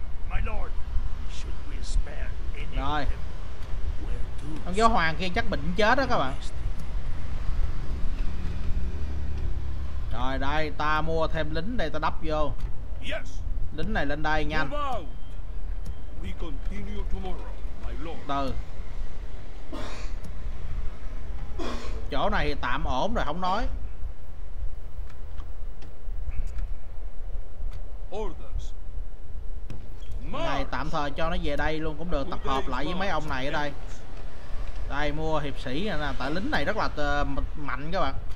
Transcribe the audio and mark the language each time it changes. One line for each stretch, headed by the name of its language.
English: My lord, should we spare any?
Vietnamese: Rồi. Ông giáo hoàng kia chắc bệnh chết đó các bạn. Rồi đây ta mua thêm lính đây ta đắp vô.
English: Yes.
Vietnamese: Lính này lên đây nhanh.
English: We continue tomorrow, my lord.
Vietnamese: Từ. Chỗ này thì tạm ổn rồi không nói.
English: Orders.
Vietnamese: Này tạm thời cho nó về đây luôn cũng được, tập hợp lại với mấy ông này ở đây. Đây mua hiệp sĩ nè, tại lính này rất là mạnh các bạn.